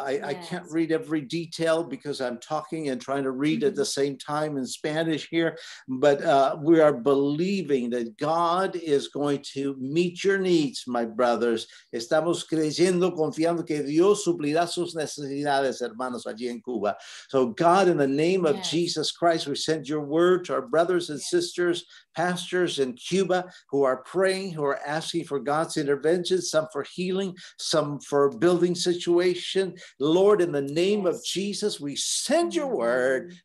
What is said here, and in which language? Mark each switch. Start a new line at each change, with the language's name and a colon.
English: I can't read every detail because I'm talking and trying to read at the same time in Spanish here, but we are believing that God is going to meet your needs, my brothers.
Spanish: Estamos creyendo con que Dios suplirá sus necesidades, hermanos, allí en Cuba.
English: So God, in the name of Jesus Christ, we send your word to our brothers and sisters, pastors in Cuba who are praying, who are asking for God's intervention, some for healing, some for building situation. Lord, in the name of Jesus, we send your word.